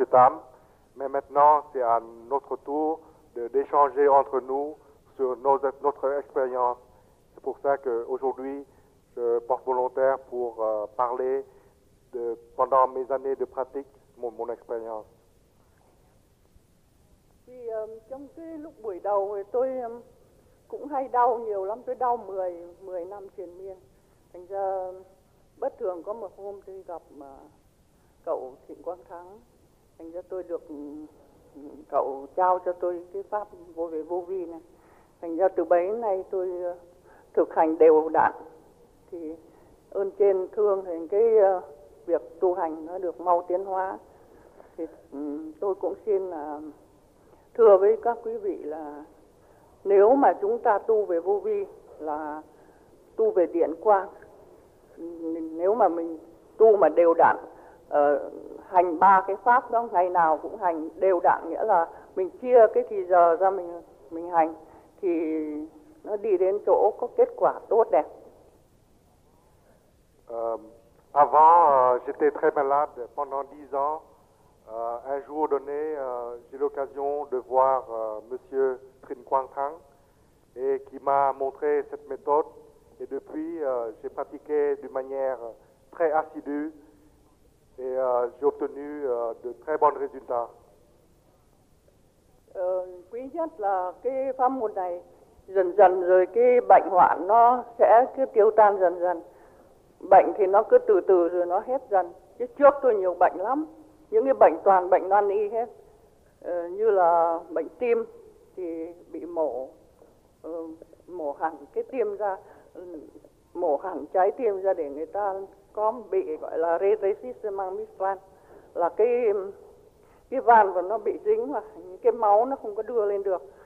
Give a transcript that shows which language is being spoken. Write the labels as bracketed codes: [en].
[fr] Tam, mais maintenant c'est à notre tour d'échanger entre nous sur notre expérience. C'est pour ça qu'aujourd'hui je porte volontaire pour parler de pendant mes années de pratique mon expérience. [vi] Thì trong cái lúc buổi đầu thì tôi cũng hay đau nhiều lắm, tôi đau 10 năm triền miên. Thành ra bất thường có một hôm tôi gặp cậu Trịnh Quang Thắng. Thành ra tôi được cậu trao cho tôi cái pháp vô về vô vi này. Thành ra từ bấy nay tôi thực hành đều đặn. Thì ơn trên thương thì cái việc tu hành nó được mau tiến hóa. Thì tôi cũng xin là thưa với các quý vị là nếu mà chúng ta tu về vô vi là tu về điện quang, nếu mà mình tu mà đều đặn, hành ba cái pháp đó, ngày nào cũng hành đều đặn, nghĩa là mình chia cái thì giờ ra mình hành thì nó đi đến chỗ có kết quả tốt đẹp. [fr] Avant j'étais très malade pendant 10 ans. Un jour donné, j'ai l'occasion de voir monsieur Trinh Quang Thắng et qui m'a montré cette méthode et depuis j'ai pratiqué d'une manière très assidue. Et j'ai obtenu de très bons résultats. [vi] Quý nhất là cái pháp môn này dần dần rồi cái bệnh hoạn nó sẽ cứ tiêu tan dần dần. Bệnh thì nó cứ từ từ rồi nó hết dần. Chứ trước tôi nhiều bệnh lắm. Những cái bệnh toàn bệnh nan y hết. Như là bệnh tim thì bị mổ, mổ hẳn cái tim ra, mổ hẳn trái tim ra để người ta có bị gọi là resistance mitral, là cái van của nó bị dính và cái máu nó không có đưa lên được.